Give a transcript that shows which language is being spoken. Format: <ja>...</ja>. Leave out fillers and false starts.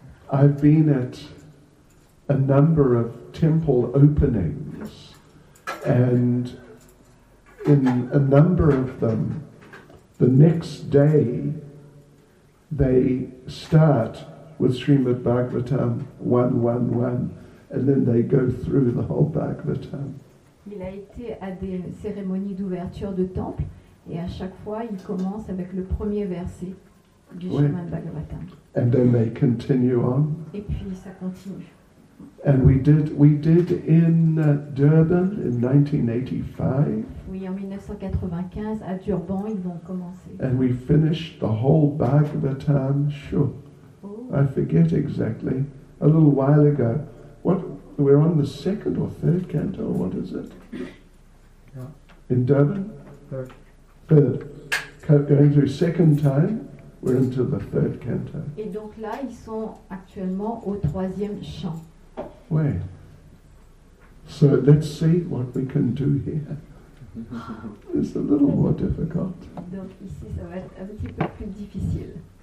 <en>I've been at a number of temple openings, and in a number of them, the next day they start with Srimad Bhagavatam 111, and then they go through the whole Bhagavatam.</en> <fr>Il a été à des cérémonies d'ouverture de temple et à chaque fois il commence avec le premier verset du Srimad Bhagavatam.</fr> <en>And then they continue on.</en> <fr>Et puis ça continue.</fr> <en>And we did in Durban in 1985.</en> <fr>Oui, en 1995 à Durban ils vont commencer.</fr> <en>And we finished the whole Bhagavatam. Sure. Oh. I forget exactly. A little while ago. We're on the second or third canto, or what is it? Yeah. In Durban? Third. Third. Going through second time, we're into the third canto.</en> <fr>Et donc là, ils sont actuellement au troisième chant.</fr> <en>Wait. So let's see what we can do here. It's a little more difficult.</en> <fr>Donc ici, ça va être un petit peu plus difficile.</fr>